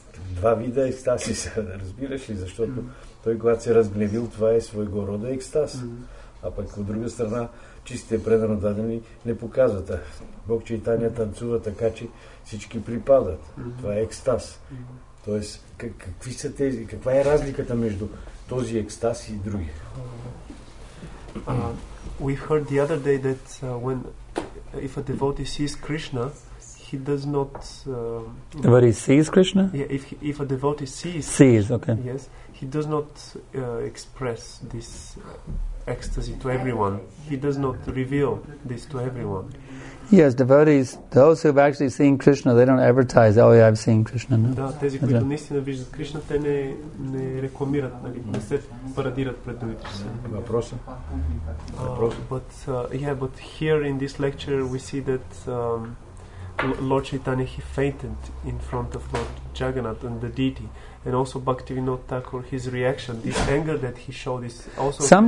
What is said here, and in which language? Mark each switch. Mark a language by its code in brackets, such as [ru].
[bg] Два вида екстази са, разбираш ли? Защото той, когато се разгневил, това е своего рода екстаз. А пък от друга страна, чистите предано дадени не показват. Бог Чайтания танцува така, че всички припадат. Това е екстаз. Тоест, какви са тези, каква е разликата между този екстаз и други? [en] We heard the other day that when if a devotee sees Krishna, he does not. But he sees Krishna? Yeah, if a devotee sees. Sees, okay. Yes, he does not express this ecstasy to everyone. He does not reveal this to everyone. Yes, devotees, those who have actually seen Krishna, they don't advertise, oh yeah, I've seen Krishna. No. [bg] Да, тези, които наистина виждат Кришна, те не рекламират, нали, не се парадират пред другите. Въпроса? [en] But here in this lecture we see that Lord Chaitanya, he fainted in front of Lord Jagannath and the deity. And also Bhaktivinoda Thakur, his reaction, this anger that he showed is also...